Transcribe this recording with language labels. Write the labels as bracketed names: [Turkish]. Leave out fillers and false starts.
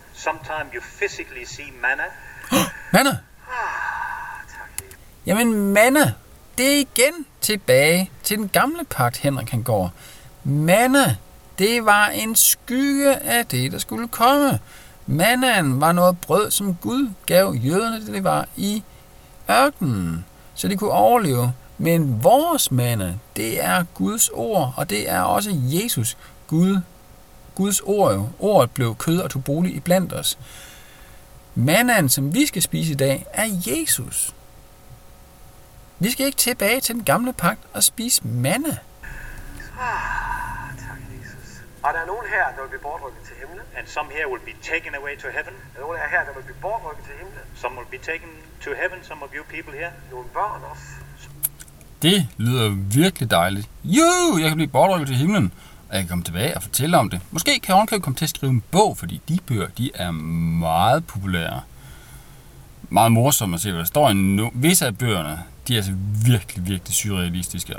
[English] Sometimes you physically see manna. [Danish] Manna? Ah, tak. Jamen manna, det er igen tilbage til den gamle pagt, Henrik han går. Manna, det var en skygge af det, der skulle komme. Mannaen var noget brød, som Gud gav jøderne, det var i ørkenen, så de kunne overleve. Men vores manna, det er Guds ord, og det er også Jesus, Guds ord. Ordet blev kød og tog bolig iblandt os. Mannaen, som vi skal spise i dag, er Jesus. Vi skal ikke tilbage til den gamle pagt og spise manna. Ah, tak, Jesus. Og der er nogen her, der vil blive bortrykket til himlen. [English] And some here will be taken away to heaven. [Danish] Er nogen her, der vil blive bortrykket til himlen. [English] Some will be taken to heaven, some of you people here. [Danish] Nogle børn også. Det lyder virkelig dejligt. Juhu, jeg kan blive bortrykket til himlen. Og jeg kan komme tilbage og fortælle om det. Måske kan jeg ovenkøbet komme til at skrive en bog, fordi de bøger, de er meget populære. Meget morsomme at se, hvad der står i visse af bøgerne. De er altså virkelig, virkelig surrealistiske.